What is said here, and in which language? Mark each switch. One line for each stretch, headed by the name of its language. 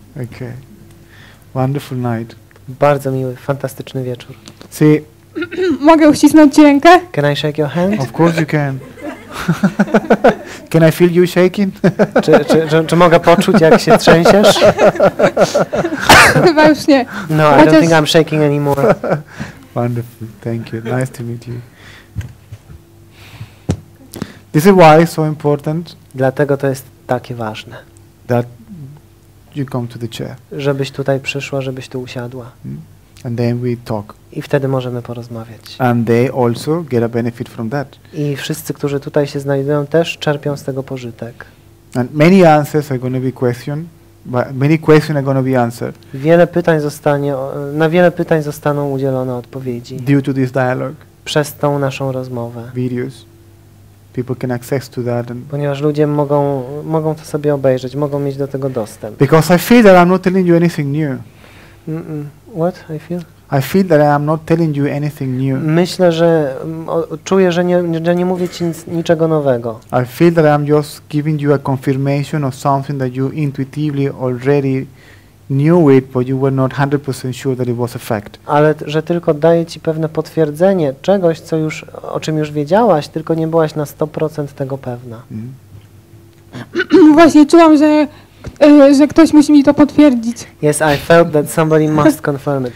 English: Okay. Wonderful night.
Polish: Bardzo miły, fantastyczny wieczór.
English: See.
Polish: Mogę uścisnąć ci rękę?
English: Can I shake your hand? Of course you can. Can I feel you shaking?
Polish: czy mogę poczuć, jak się trzęsiesz? Chyba już nie.
English: No, I don't think I'm shaking anymore. Wonderful, thank you. Nice to meet you. This is why it's so important.
Polish: Dlatego to jest takie ważne.
English: That you come to the chair.
Polish: Żebyś tutaj przyszła, żebyś tu usiadła.
English: And then we talk.
Polish: I wtedy możemy porozmawiać.
English: And they also get a benefit from that.
Polish: I wszyscy, którzy tutaj się znajdują, też czerpią z tego pożytek.
English: And many answers are going to be questioned. But many questions are going to be answered.
Polish: Wiele pytań zostanie, na wiele pytań zostaną udzielone odpowiedzi.
English: Due to this dialogue.
Polish: Przez tą naszą rozmowę.
English: Videos. People can access to that.
Polish: Ponieważ ludzie mogą to sobie obejrzeć, mogą mieć do tego dostęp.
English: Because I feel that I'm not telling you anything new. What I feel? I feel that I am not telling you anything new.
Polish: Myślę, że czuję, że nie mówię ci niczego nowego.
English: I feel that I am just giving you a confirmation of something that you intuitively already knew it, but you were not 100% sure that it was a fact.
Polish: Ale że tylko daję ci pewne potwierdzenie czegoś, co już, o czym już wiedziałaś, tylko nie byłaś na 100% tego pewna. Właśnie czułam, że że ktoś musi mi to potwierdzić.
English: Yes, I felt that somebody must confirm it.